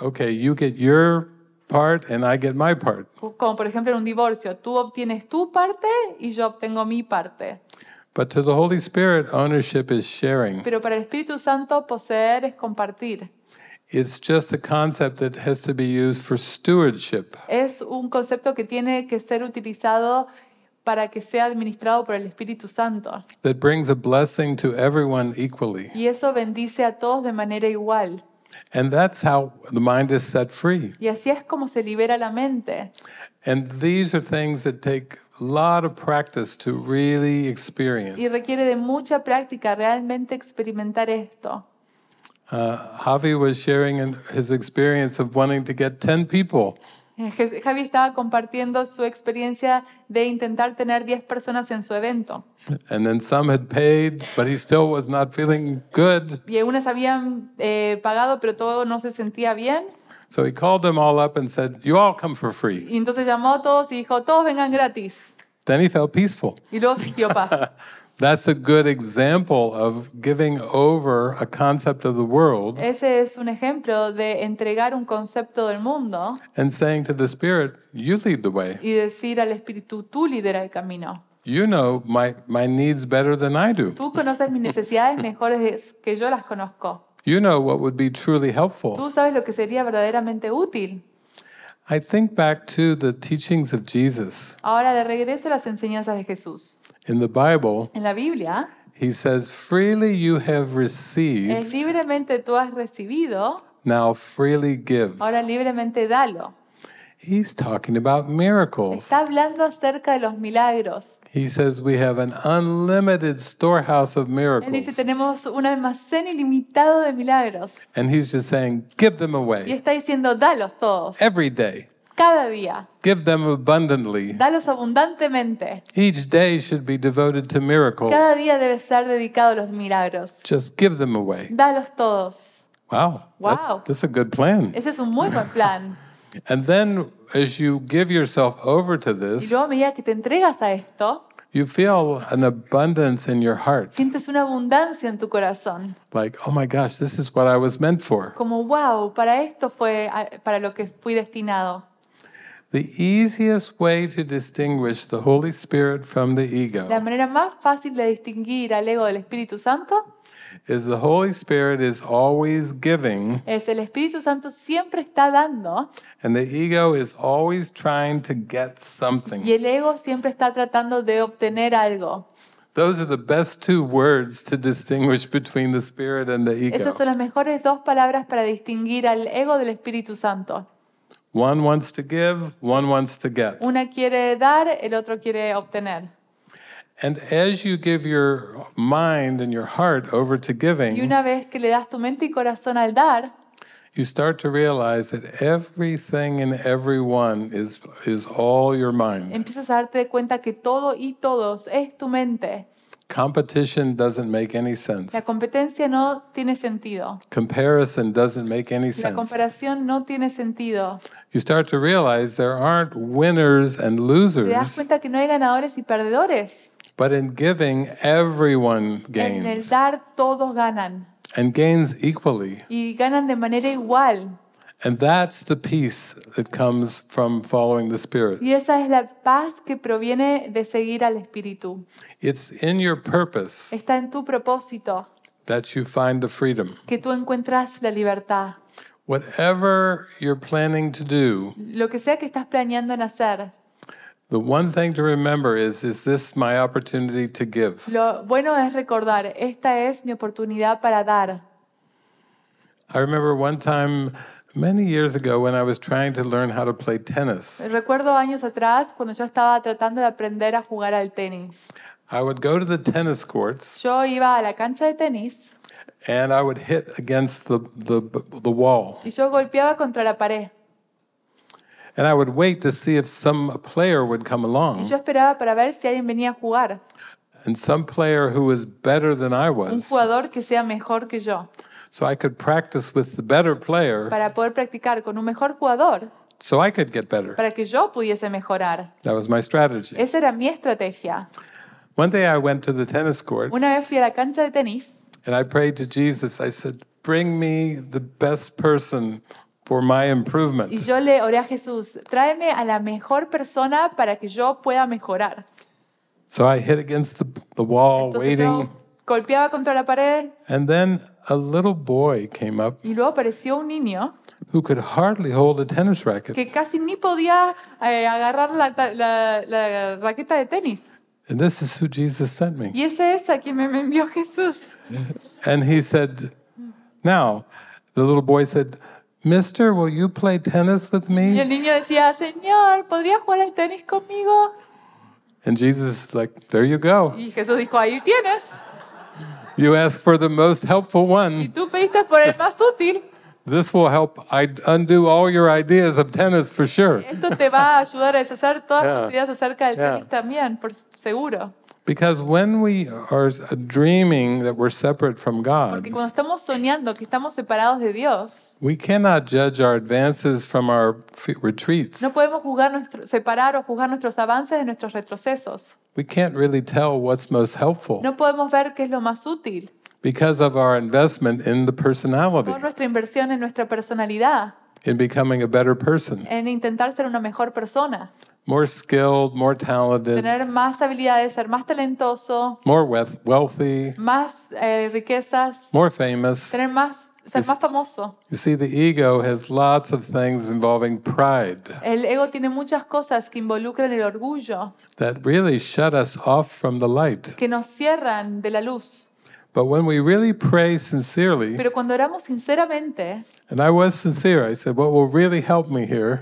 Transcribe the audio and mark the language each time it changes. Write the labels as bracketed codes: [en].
[en] Okay, you get your part and I get my part. [es] Como por ejemplo en un divorcio, tú obtienes tu parte y yo obtengo mi parte. [en] But to the Holy Spirit, ownership is sharing. [es] Pero para el Espíritu Santo, poseer es compartir. [en] It's just a concept that has to be used for stewardship. [es] Es un concepto que tiene que ser utilizado para que sea administrado por el Espíritu Santo. [en] That brings a blessing to everyone equally. [es] Y eso bendice a todos de manera igual. [en] And that's how the mind is set free. [es] Y así es como se libera la mente. [en] And these are things that take a lot of practice to really experience. [es] Y requiere de mucha práctica realmente experimentar esto. [en] Javi was sharing his experience of wanting to get 10 people. [es] Javi estaba compartiendo su experiencia de intentar tener 10 personas en su evento. [en] And then some had paid, but he still was not feeling good. [es] Y algunas habían pagado, pero todo no se sentía bien. [en] So he called them all up and said, "You all come for free." [es] Y entonces llamó a todos y dijo, "Todos vengan gratis." [en] Then he felt peaceful. [es] Y luego sintió paz. [en] That's a good example of giving over a concept of the world. [es] Ese es un ejemplo de entregar un concepto del mundo. [en] And saying to the Spirit, "You lead the way." [es] Y decir al Espíritu, tú lidera el camino. [en] You know my needs better than I do. [es] Tú conoces mis necesidades mejores que yo las conozco. [en] You know what would be truly helpful. [es] Tú sabes lo que sería verdaderamente útil. [en] I think back to the teachings of Jesus. [es] Ahora de regreso a las enseñanzas de Jesús. [en] In the Bible, [es] en la Biblia, [en] he says, "Freely you have received." [es] Libremente tú has recibido. [en] Now freely give. [es] Ahora libremente dalo. [en] He's talking about miracles. [es] Está hablando acerca de los milagros. [en] He says we have an unlimited storehouse of miracles. [es] Él dice tenemos un almacén ilimitado de milagros. [en] And he's just saying, "Give them away." [es] Y está diciendo, dalos todos. [en] Every day. [es] Cada día. [en] Give them abundantly. [es] Dalos abundantemente. [en] Each day should be devoted to miracles. [es] Cada día debe estar dedicado a los milagros. [en] Just give them away. [es] Dalos todos. [en] Wow. That's a good plan. [es] Ese es un muy buen plan. [en] And then, as you give yourself over to this, [es] y luego a medida que te entregas a esto, [en] You feel an abundance in your heart. [es] Sientes una abundancia en tu corazón. [en] Like, oh my gosh, this is what I was meant for. [es] Como, wow, para esto fue para lo que fui destinado. [en] The easiest way to distinguish the Holy Spirit from the ego. [es] La manera más fácil de distinguir al ego del Espíritu Santo. [en] Is the Holy Spirit is always giving. [es] Es el Espíritu Santo siempre está dando. [en] And the ego is always trying to get something. [es] Y el ego siempre está tratando de obtener algo. [en] Those are the best two words to distinguish between the Spirit and the ego. [es] Esas son las mejores dos palabras para distinguir al ego del Espíritu Santo. [en] One wants to give, one wants to get. [es] Una quiere dar, el otro quiere obtener. [en] And as you give your mind and your heart over to giving, [es] y una vez que le das tu mente y corazón al dar, [en] you start to realize that everything and everyone is all your mind. [es] Empiezas a darte cuenta que todo y todos es tu mente. [en] Competition doesn't make any sense. [es] La competencia no tiene sentido. [en] Comparison doesn't make any sense. [es] La comparación no tiene sentido. [en] You start to realize there aren't winners and losers. [es] Te das cuenta que no hay ganadores y perdedores. [en] But in giving, everyone gains. [es] En el dar, todos ganan. [en] And gains equally. [es] Y ganan de manera igual. [en] And that's the peace that comes from following the Spirit. [es] Y esa es la paz que proviene de seguir al Espíritu. [en] It's in your purpose. [es] Está en tu propósito. [en] That you find the freedom. [es] Que tú encuentras la libertad. [en] Whatever you're planning to do. [es] Lo que sea que estás planeando en hacer. [en] The one thing to remember is this my opportunity to give? [es] Lo bueno es recordar, esta es mi oportunidad para dar. [en] I remember one time many years ago when I was trying to learn how to play tennis. [es] Recuerdo años atrás cuando yo estaba tratando de aprender a jugar al tenis. [en] I would go to the tennis courts. [es] Yo iba a la cancha de tenis. [en] And I would hit against the wall. [es] Y yo golpeaba contra la pared. [en] And I would wait to see if some player would come along. [es] Y yo esperaba para ver si alguien venía a jugar. [en] And some player who was better than I was. [es] Un jugador que sea mejor que yo. [en] So I could practice with the better player. [es] Para poder practicar con un mejor jugador. [en] So I could get better. [es] Para que yo pudiese mejorar. [en] That was my strategy. [es] Esa era mi estrategia. [en] One day I went to the tennis court. [es] Una vez fui a la cancha de tenis. [en] And I prayed to Jesus. I said, "Bring me the best person for my improvement." [es] Y yo le oré a Jesús, tráeme a la mejor persona para que yo pueda mejorar. [en] So I hit against the wall. [es] Entonces [en] waiting. [es] Yo golpeaba contra la pared. [en] And then a little boy came up. [es] Y luego apareció un niño. [en] Who could hardly hold a tennis racket. [es] Que casi ni podía agarrar la raqueta de tenis. [en] And this is who Jesus sent me. [es] Y ese es a quien me envió Jesús. [en] And he said, "Now," the little boy said, "Mister, will you play tennis with me?" [es] Y el niño decía, "Señor, ¿podría jugar al tenis conmigo?" [en] And Jesus is like, "There you go." [es] Y Jesús dijo, "Ahí tienes." [en] You ask for the most helpful one. [es] Y tú pediste por el más útil. [en] This will help undo all your ideas of tennis for sure. [es] Esto te va a ayudar a deshacer todas tus ideas acerca del tenis también, por seguro. [en] Because when we are dreaming that we're separate from God, [es] porque cuando estamos soñando que estamos separados de Dios, [en] we cannot judge our advances from our retreats. [es] No podemos separar o juzgar nuestros avances de nuestros retrocesos. [en] We can't really tell what's most helpful. [es] No podemos ver qué es lo más útil. [en] Because of our investment in the personality. [es] Por nuestra inversión en nuestra personalidad. [en] In becoming a better person. [es] En intentar ser una mejor persona. [en] More skilled, more talented. [es] Tener más habilidades, ser más talentoso. [en] More wealthy. [es] Más riquezas. [en] More famous. [es] Tener más, ser más famoso. [en] You see, the ego has lots of things involving pride. [es] El ego tiene muchas cosas que involucran el orgullo. [en] That really shut us off from the light. [es] Que nos cierran de la luz. [en] But when we really pray sincerely, [es] pero cuando oramos sinceramente, [en] and I was sincere, I said, "What will really help me here?"